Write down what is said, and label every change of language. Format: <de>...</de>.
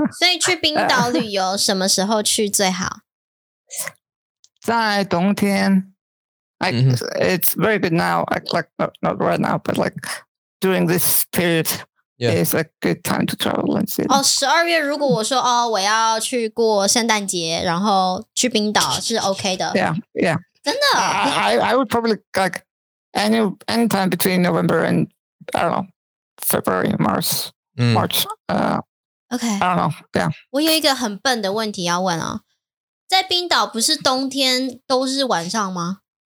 <zh>So, 去冰岛旅游什么时候去最好? 在冬天.</zh> <en>It's very good now, like not right now, but like during this period is a good time to travel and see.</en> <zh>Oh, 12月 如果我说我要去过圣诞节然后去冰岛是 OK 的.</zh> <en>Yeah.</en> <zh>真的?</zh> <en>I would probably like any time between November and, I don't know, February, March, March. Okay. I don't know. Yeah.</en> <zh>我有一个很笨的问题要问啊。在冰岛不是冬天都是晚上吗?</zh>